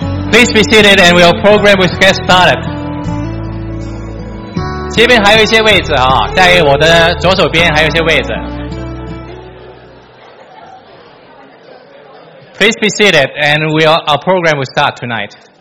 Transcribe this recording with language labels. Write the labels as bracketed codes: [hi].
[en] Please be seated and we'll program with get started. [zh] 前面还有一些位置啊，在我的左手边还有一些位置。 [en] Please be seated and we'll, our program will start tonight.